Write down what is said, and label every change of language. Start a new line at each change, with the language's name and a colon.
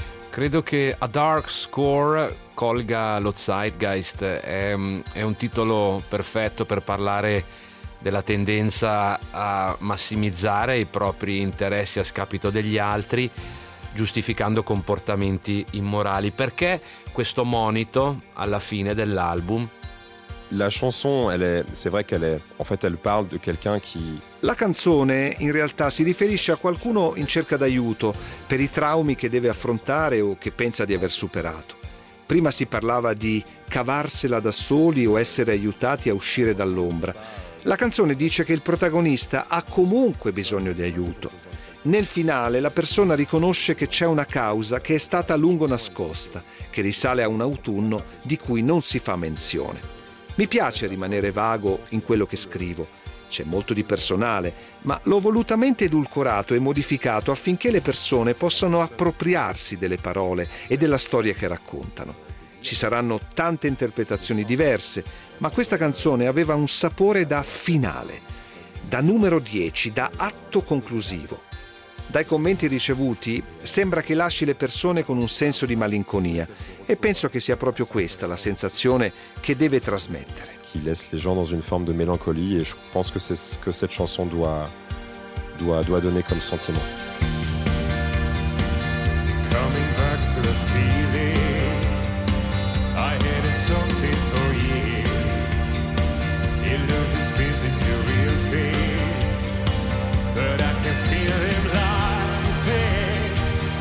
Italian: Credo che A Dark Score colga lo zeitgeist, è un titolo perfetto per parlare della tendenza a massimizzare i propri interessi a scapito degli altri, giustificando comportamenti immorali. Perché questo monito alla fine dell'album?
French: La chanson, elle est, c'est vrai qu'elle est, en fait, elle parle de quelqu'un qui...
Italian: La canzone in realtà si riferisce a qualcuno in cerca d'aiuto per i traumi che deve affrontare o che pensa di aver superato. Prima si parlava di cavarsela da soli o essere aiutati a uscire dall'ombra. La canzone dice che il protagonista ha comunque bisogno di aiuto. Nel finale la persona riconosce che c'è una causa che è stata a lungo nascosta, che risale a un autunno di cui non si fa menzione. Mi piace rimanere vago in quello che scrivo. C'è molto di personale, ma l'ho volutamente edulcorato e modificato affinché le persone possano appropriarsi delle parole e della storia che raccontano. Ci saranno tante interpretazioni diverse, ma questa canzone aveva un sapore da finale, da numero 10, da atto conclusivo. Dai commenti ricevuti sembra che lasci le persone con un senso di malinconia e penso che sia proprio questa la sensazione che deve trasmettere.
French: Qui laisse les gens dans une forme de mélancolie et je pense que c'est ce que cette chanson doit donner comme sentiment.
English: Coming back to the feeling I had exhausted for years. Illusion spins into real fear. But I can feel it like this.